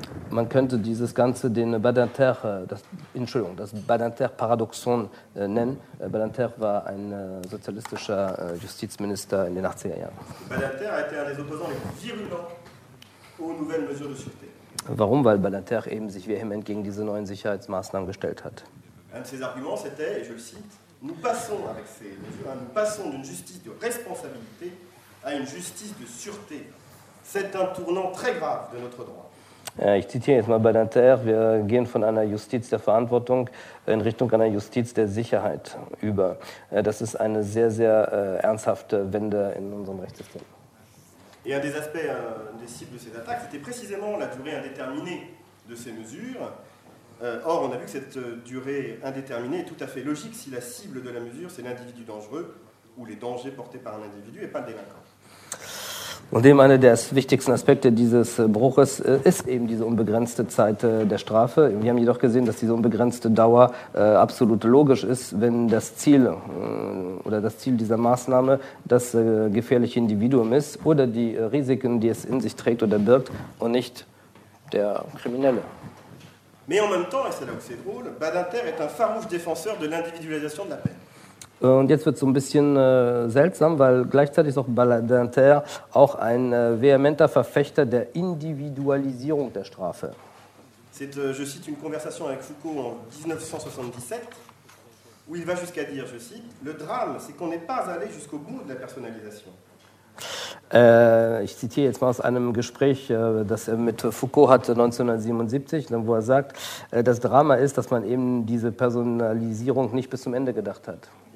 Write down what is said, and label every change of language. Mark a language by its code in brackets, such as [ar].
[de] Man könnte dieses Ganze den Badinter, das Badinter-Paradoxon nennen. Badinter war ein sozialistischer Justizminister in den 80er Jahren. [fr] Badinter a été un des opposants les plus virulents aux nouvelles mesures de sûreté. [de] Warum? Weil Badinter eben sich vehement gegen diese neuen Sicherheitsmaßnahmen gestellt hat. [fr] Un de ses arguments, c'était, et je le cite, nous passons avec ces mesures, nous passons d'une justice de responsabilité à une justice de sûreté. C'est un tournant très grave de notre droit. [de] Ich zitiere jetzt mal Badinter, wir gehen von einer Justiz der Verantwortung in Richtung einer Justiz der Sicherheit über. Das ist eine sehr, sehr ernsthafte Wende in unserem Rechtssystem. [fr] Et un des aspects, des cibles de ces attaques, c'était précisément la durée indéterminée de ces mesures. Or, on a vu que cette durée indéterminée est tout à fait logique si la cible de la mesure, c'est l'individu dangereux ou les dangers portés par un individu et pas le délinquant. [de] Und eben einer der wichtigsten Aspekte dieses Bruches ist eben diese unbegrenzte Zeit der Strafe. Wir haben jedoch gesehen, dass diese unbegrenzte Dauer absolut logisch ist, wenn das Ziel oder das Ziel dieser Maßnahme das gefährliche Individuum ist oder die Risiken, die es in sich trägt oder birgt und nicht der Kriminelle. [fr] Mais en même temps, et c'est là où c'est drôle, Badinter est un farouche défenseur de l'individualisation de la peine. [de] Und jetzt wird es so ein bisschen seltsam, weil gleichzeitig ist auch Badinter auch ein vehementer Verfechter der Individualisierung der Strafe. [fr] Je cite une conversation avec Foucault en 1977. où il va jusqu'à dire, je cite, « Le drame, c'est qu'on n'est pas allé jusqu'au bout de la personnalisation. » [de] Ich zitiere jetzt mal aus einem Gespräch, das er mit Foucault hatte 1977, wo er sagt, das Drama ist, dass man eben diese Personalisierung nicht bis zum Ende gedacht hat.